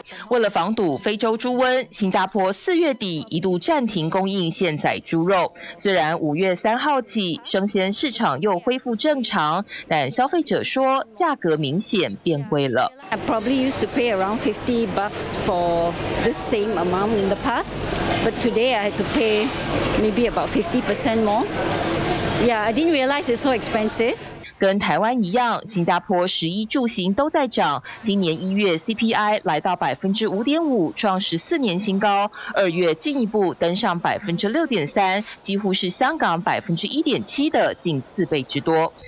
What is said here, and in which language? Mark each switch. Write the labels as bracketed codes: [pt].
[zh] 为了防堵非洲猪瘟，新加坡四月底一度暂停供应现宰猪肉。虽然五月三号起生鲜市场又恢复正常，但消费者说价格明显变贵了。 [en] I probably used to pay around $50 for the same amount in the past, but today I had to pay maybe about 50% more. Yeah, I didn't realize it's so expensive. [zh] 跟台湾一样，新加坡食衣住行都在涨。今年一月 CPI 来到 5.5%， 创14年新高。二月进一步登上 6.3%， 几乎是香港 1.7% 的近四倍之多。